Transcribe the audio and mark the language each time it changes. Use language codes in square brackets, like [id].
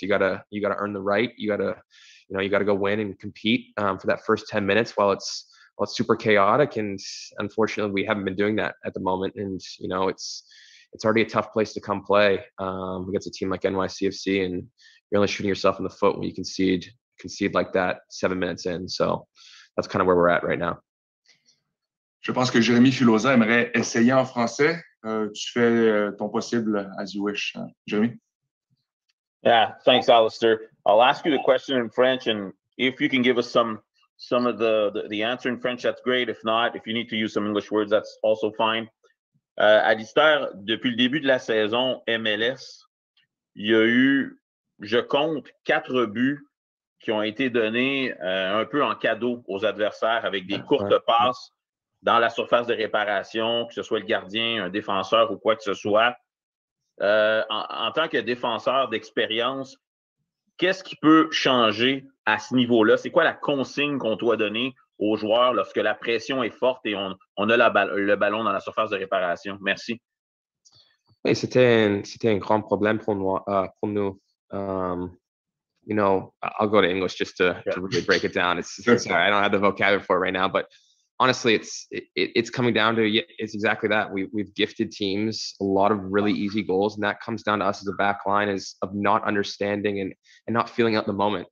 [en] You gotta earn the right. You gotta go win and compete for that first 10 minutes while it's super chaotic. And unfortunately, we haven't been doing that at the moment. And you know, it's already a tough place to come play against a team like NYCFC, and you're only shooting yourself in the foot when you concede like that 7 minutes in. So that's kind of where we're at right now. [fr] Je pense que Jérémy Filosa aimerait essayer en français. Tu fais ton possible [en] as you wish, [fr] Jérémy. [en] Yeah, thanks, Alastair. I'll ask you the question in French, and if you can give us some of the answer in French, that's great. If not, if you need to use some English words, that's also fine. [fr] Alistair, depuis le début de la saison MLS, il y a eu, je compte, 4 buts qui ont été donnés un peu en cadeau aux adversaires avec des courtes passes dans la surface de réparation, que ce soit le gardien, un défenseur ou quoi que ce soit. En tant que défenseur d'expérience, qu'est-ce qui peut changer à ce niveau-là? C'est quoi la consigne qu'on doit donner aux joueurs lorsque la pression est forte et on a le ballon dans la surface de réparation? Merci. Oui, c'était un grand problème pour nous. [en] You know, I'll go to English just to really break it down. Sorry, I don't have the vocabulary for it right now, but honestly, it's coming down to, it's exactly that. We've gifted teams a lot of really easy goals, and that comes down to us as a back line, is of not understanding and not feeling out the moment.